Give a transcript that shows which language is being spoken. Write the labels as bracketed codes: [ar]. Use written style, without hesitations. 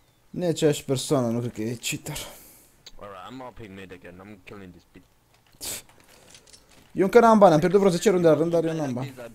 [ro] Nu e aceeași persoană, nu cred că e cheater. [en] Alright, I'm mopping mid again, I'm killing this bitch. [ro] Eu încă n-am bani, am pierdut vreo 10 runde la rând, dar eu n-am bani.